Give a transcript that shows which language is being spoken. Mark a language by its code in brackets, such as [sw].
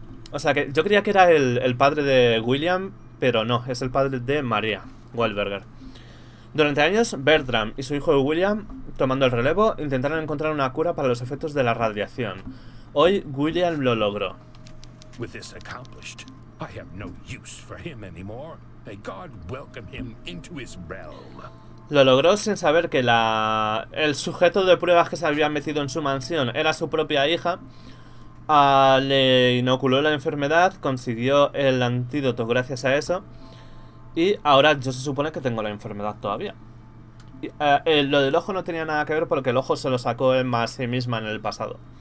[es] O sea que yo creía que era el padre de William, pero no, es el padre de María Wahlberger. Durante años, Bertram y su hijo William, tomando el relevo, intentaron encontrar una cura para los efectos de la radiación. Hoy, William lo logró. [en] With this accomplished, I have no use for him anymore. May God welcome him into his realm. [es] Lo logró sin saber que el sujeto de pruebas que se había metido en su mansión era su propia hija. Le inoculó la enfermedad, consiguió el antídoto gracias a eso. Y ahora yo se supone que tengo la enfermedad todavía. Lo del ojo no tenía nada que ver porque el ojo se lo sacó Emma a sí misma en el pasado.